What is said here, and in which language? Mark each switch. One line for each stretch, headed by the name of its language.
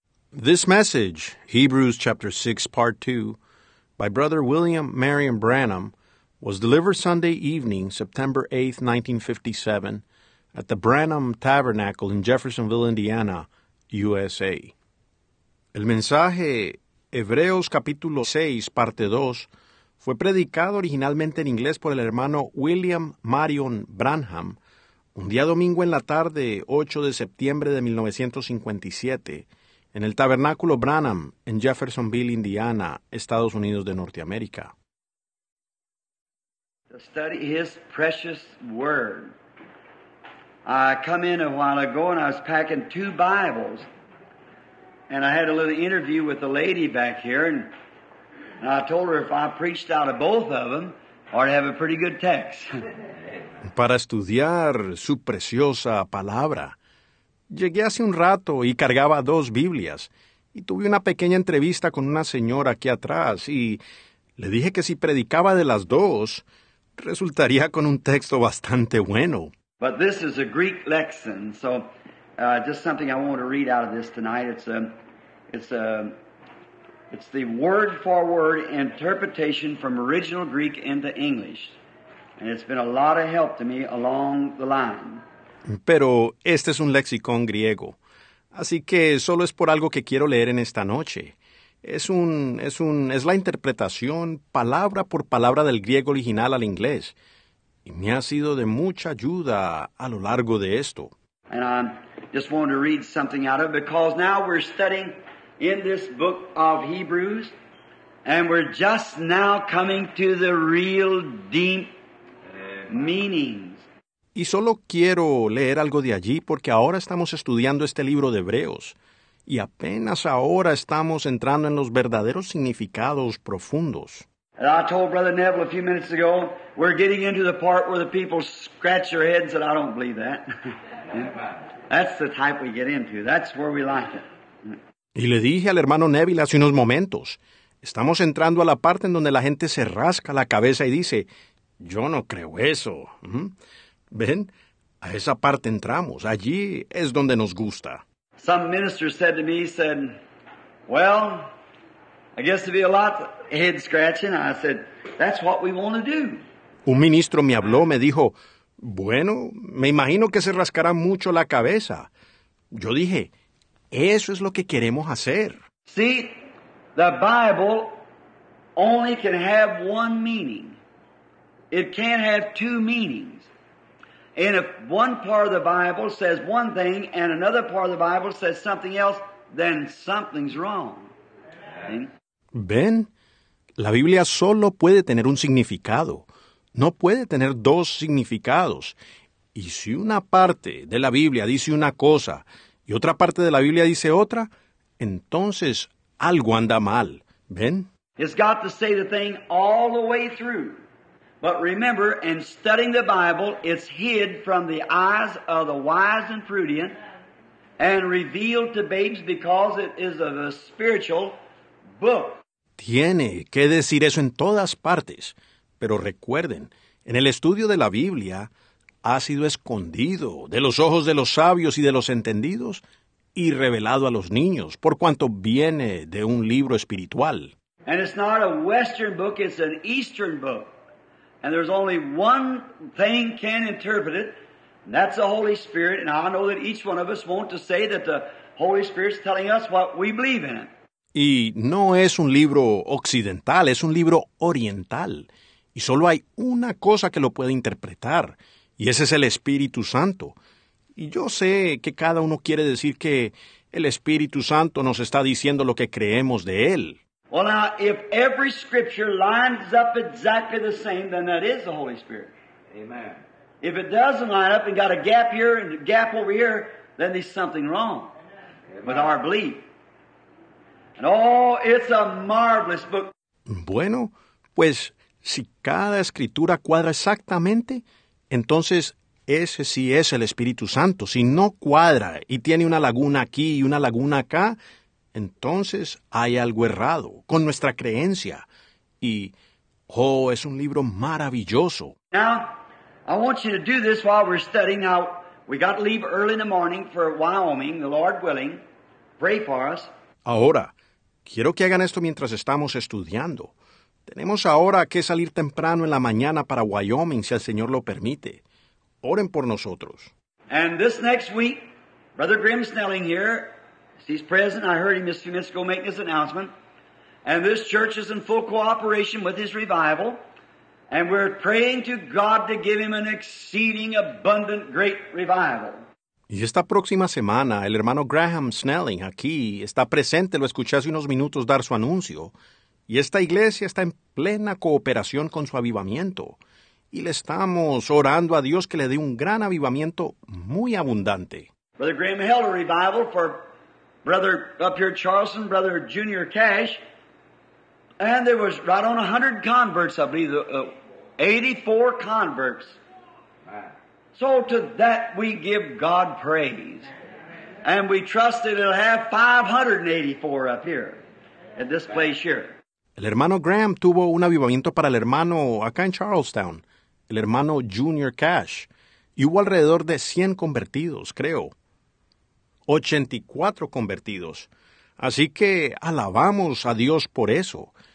English: This message, Hebrews chapter 6, part 2, by Brother William Marion Branham, was delivered Sunday evening, September 8, 1957, at the Branham Tabernacle in Jeffersonville, Indiana, USA.
Spanish: El mensaje, Hebreos capítulo 6, parte 2, fue predicado originalmente en inglés por el hermano William Marion Branham, un día domingo en la tarde, 8 de septiembre de 1957, en el Tabernáculo Branham, en Jeffersonville, Indiana, Estados Unidos de Norteamérica.
English: To study his precious word. I come in a while ago and I was packing two Bibles. And I had a little interview with a lady back here. And I told her if I preached out of both of them, I'd have a pretty good text.
Spanish: Para estudiar su preciosa palabra. Llegué hace un rato y cargaba dos Biblias, y tuve una pequeña entrevista con una señora aquí atrás, y le dije que si predicaba de las dos, resultaría con un texto bastante bueno.
English: But this is a Greek lexicon, so just something I want to read out of this tonight. It's the word-for-word interpretation from original Greek into English, and it's been a lot of help to me along the line.
Spanish: Pero este es un lexicón griego, así que solo es por algo que quiero leer en esta noche. Es la interpretación palabra por palabra del griego original al inglés, y me ha sido de mucha ayuda a lo largo de esto.
English: And I just wanted to read something out of it because now we're studying in this book of Hebrews, and we're just now coming to the real deep meaning.
Spanish: Y solo quiero leer algo de allí porque ahora estamos estudiando este libro de Hebreos. Y apenas ahora estamos entrando en los verdaderos significados profundos.
English: And I told Brother Neville a few minutes ago, we're getting into the part where the people scratch their heads and I don't believe that. That's the type we get into. That's where we like it.
Spanish: Y le dije al hermano Neville hace unos momentos, estamos entrando a la parte en donde la gente se rasca la cabeza y dice, yo no creo eso. Ven, a esa parte entramos. Allí es donde nos gusta.
English: Some minister said to me, he said, well, I guess there'll be a lot of head scratching. I said, that's what we want to do.
Spanish: Un ministro me habló, me dijo, bueno, me imagino que se rascará mucho la cabeza. Yo dije, eso es lo que queremos hacer.
English: See, the Bible only can have one meaning. It can't have two meanings. And if one part of the Bible says one thing and another part of the Bible says something else, then something's wrong.
Spanish: Ven, la Biblia solo puede tener un significado. No puede tener dos significados. Y si una parte de la Biblia dice una cosa y otra parte de la Biblia dice otra, entonces algo anda mal. Ven.
English: It's got to say the thing all the way through. But remember, in studying the Bible, it's hid from the eyes of the wise and prudent and revealed to babes because it is of a spiritual book.
Spanish: Tiene que decir eso en todas partes. Pero recuerden, en el estudio de la Biblia, ha sido escondido de los ojos de los sabios y de los entendidos y revelado a los niños, por cuanto viene de un libro espiritual.
English: And it's not a Western book, it's an Eastern book. And there's only one thing can interpret it, and that's the Holy Spirit. And I know that each one of us want to say that the Holy Spirit's telling us what we believe in it.
Spanish: Y no es un libro occidental, es un libro oriental. Y solo hay una cosa que lo puede interpretar, y ese es el Espíritu Santo. Y yo sé que cada uno quiere decir que el Espíritu Santo nos está diciendo lo que creemos de él.
English: Well, now, if every scripture lines up exactly the same, then that is the Holy Spirit. Amen. If it doesn't line up and got a gap here and a gap over here, then there's something wrong. Amen. With our belief. And oh, it's a marvelous book.
Spanish: Bueno, pues, si cada escritura cuadra exactamente, entonces ese sí es el Espíritu Santo. Si no cuadra y tiene una laguna aquí y una laguna acá, entonces hay algo errado con nuestra creencia. Y, oh, es un libro maravilloso.
English: Now, I want you to do this while we're studying. Now, we got to leave early in the morning for Wyoming, the Lord willing. Pray for us.
Spanish: Ahora, quiero que hagan esto mientras estamos estudiando. Tenemos ahora que salir temprano en la mañana para Wyoming, si el Señor lo permite. Oren por nosotros.
English: And this next week, Brother Grim Snelling here, he's present, I heard him just a few minutes ago making this announcement, and this church is in full cooperation with his revival, and we're praying to God to give him an exceeding abundant great revival.
Spanish: Y esta próxima semana, el hermano Graham Snelling aquí está presente, lo escuché hace unos minutos dar su anuncio, y esta iglesia está en plena cooperación con su avivamiento. Y le estamos orando a Dios que le dé un gran avivamiento muy abundante.
English: Brother Graham held a revival for Brother up here at Charleston, Brother Junior Cash, and there was right on 100 converts, I believe, 84 converts. So to that we give God praise. And we trust that it'll have 584 up here at this place here.
Spanish: El hermano Graham tuvo un avivamiento para el hermano acá en Charlestown, el hermano Junior Cash, y hubo alrededor de 100 convertidos, creo. 84 convertidos. Así que alabamos a Dios por eso.